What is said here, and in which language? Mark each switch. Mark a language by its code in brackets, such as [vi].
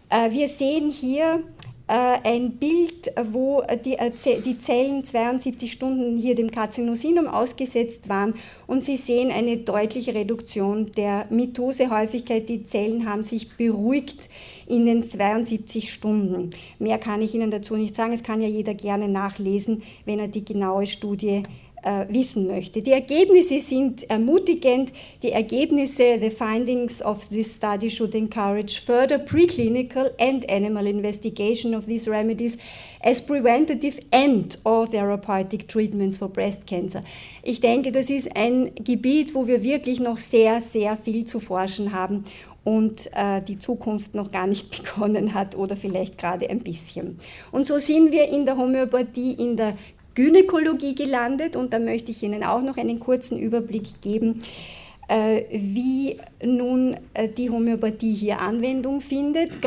[de] Wir sehen hier ein Bild, wo die Zellen 72 Stunden hier dem Carcinosinum ausgesetzt waren, und Sie sehen eine deutliche Reduktion der Mitosehäufigkeit. Die Zellen haben sich beruhigt in den 72 Stunden. Mehr kann ich Ihnen dazu nicht sagen. Es kann ja jeder gerne nachlesen, wenn er die genaue Studie wissen möchte. Die Ergebnisse sind ermutigend. Die Ergebnisse, [en] the findings of this study should encourage further preclinical and animal investigation of these remedies as preventative and or therapeutic treatments for breast cancer. [de] Ich denke, das ist ein Gebiet, wo wir wirklich noch sehr, sehr viel zu forschen haben und die Zukunft noch gar nicht begonnen hat oder vielleicht gerade ein bisschen. Und so sind wir in der Homöopathie, in der Gynäkologie gelandet, und da möchte ich Ihnen auch noch einen kurzen Überblick geben, wie nun die Homöopathie hier Anwendung findet.